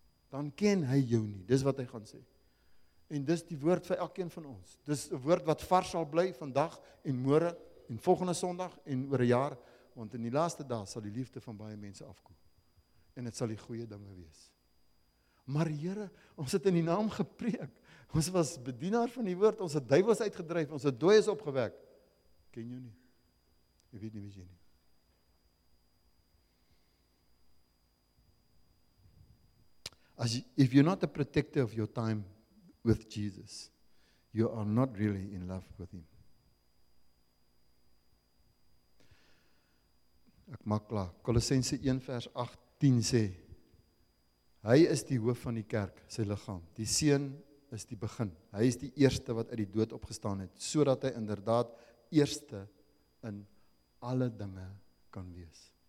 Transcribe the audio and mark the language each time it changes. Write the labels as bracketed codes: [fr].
[af] Dan ken hy jou nie, dis wat hy gaan sê. En dis die woord vir elkeen van ons. Dis 'n woord wat vars sal bly vandag en môre en volgende Sondag en oor 'n jaar, want in die laaste dae sal die liefde van baie mense afkoel. En dit sal die goeie dinge wees. Maar Here, ons het in die naam gepreek. Ons was bedienaar van die woord, ons het duiwels uitgedryf, ons het dooies opgewek. Ken jou nie. Ek weet nie wie jy nie. [en] As if you're not a protector of your time with Jesus, you are not really in love with him. [af] Ek maak klaar. Kolossense 1 vers 18 sê, hy is die hoof van die kerk, sy liggaam. Die seun is die begin. Hy is die eerste wat uit die dood opgestaan het, sodat hy inderdaad eerste in alle dinge kan wees.